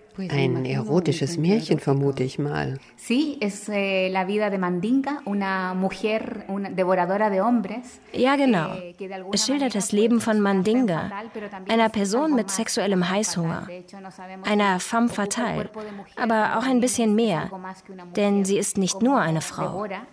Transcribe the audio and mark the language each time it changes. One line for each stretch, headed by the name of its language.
German: Ein erotisches Märchen, vermute ich mal.
Spanish: Sí, es la vida de Mandinga, una mujer, una devoradora de hombres.
German: Ja, genau. Es schildert das Leben von Mandinga, einer Person mit sexuellem Heißhunger, einer femme fatale, aber auch ein bisschen mehr, denn sie ist nicht nur eine Frau.